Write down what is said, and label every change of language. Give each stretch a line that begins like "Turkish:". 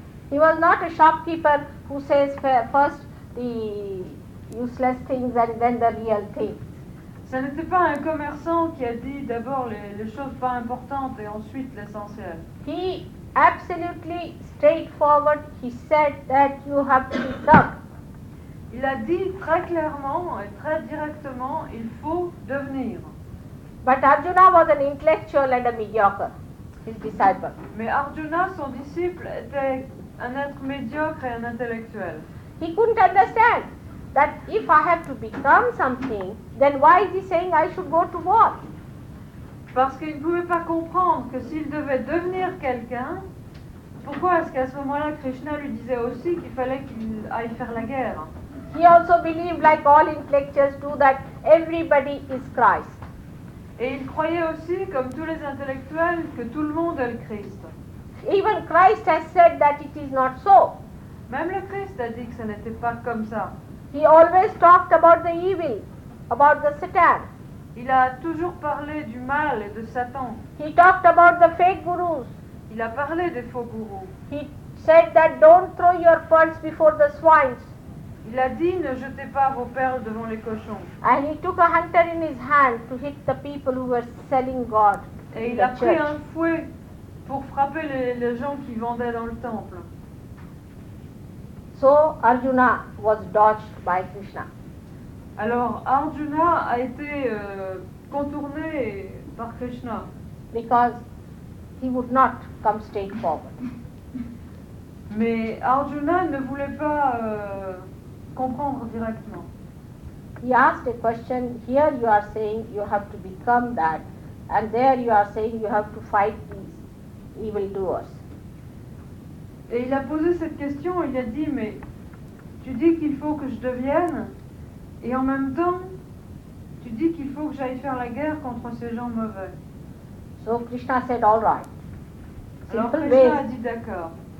English: He was not a shopkeeper who says first the useless things and then the real things.
French: Ce n'était pas un commerçant qui a dit d'abord les choses pas importantes et ensuite l'essentiel.
English: He absolutely straightforward, he said that you have to become.
French: Il a dit très clairement et très directement, il faut devenir.
English: But Arjuna was an intellectual and a mediocre, his disciple.
French: Mais Arjuna, son disciple, était un être médiocre et un intellectuel.
English: He couldn't understand that if I have to become something, then why is he saying I should go to war?
French: Parce qu'il ne pouvait pas comprendre que s'il devait devenir quelqu'un, pourquoi est-ce qu'à ce moment-là Krishna lui disait aussi qu'il fallait qu'il aille faire la guerre?
English: He also believed, like all intellectuals do, that everybody is Christ.
French: Et il croyait aussi, comme tous les intellectuels, que tout le monde est le Christ.
English: Even Christ has said that it is not so.
French: Même le Christ a dit que ce n'était pas comme ça.
English: He always talked about the evil, about the Satan.
French: Il a toujours parlé du mal et de Satan.
English: He talked about the fake gurus.
French: He Il a parlé des faux gourous.
English: He said that don't throw your pearls before the swines.
French: Il a dit ne jetez pas vos perles devant les cochons.
English: And he took a hunter in his hand to hit the people who were selling God.
French: Et il a pris un fouet pour frapper les gens qui vendaient dans le temple.
English: So Arjuna was dodged by Krishna.
French: Alors Arjuna a été contourné par Krishna.
English: Because he would not come straight forward.
French: Mais Arjuna ne voulait pas comprendre directement.
English: He asked a question, here you are saying you have to become that, and there you are saying you have to fight these evil doers.
French: Et il a posé cette question, il a dit, mais tu dis qu'il faut que je devienne, et en même temps, tu dis qu'il faut que j'aille faire la guerre contre ces gens mauvais.
English: So Krishna said, all right.
French: Simple Alors Krishna a dit d'accord.